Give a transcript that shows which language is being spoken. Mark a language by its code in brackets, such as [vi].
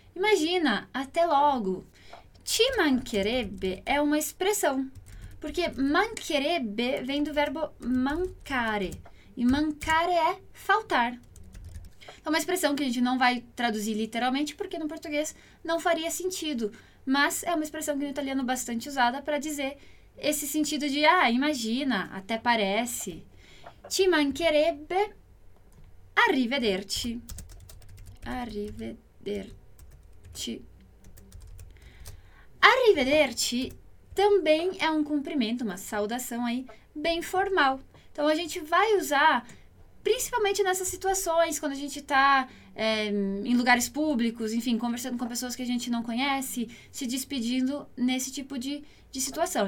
[pt] Imagina, até logo. Ci mancherebbe é uma expressão, porque mancherebbe vem do verbo mancare, e mancare é faltar. É uma expressão que a gente não vai traduzir literalmente, porque no português não faria sentido, mas é uma expressão que no italiano é bastante usada para dizer esse sentido de, ah, imagina, até parece. [it] Ci mancherebbe, arrivederci. Arrivederci. [pt] Arrivederci também é um cumprimento, uma saudação aí, bem formal. Então, a gente vai usar, principalmente nessas situações, quando a gente está em lugares públicos, enfim, conversando com pessoas que a gente não conhece, se despedindo nesse tipo de situação.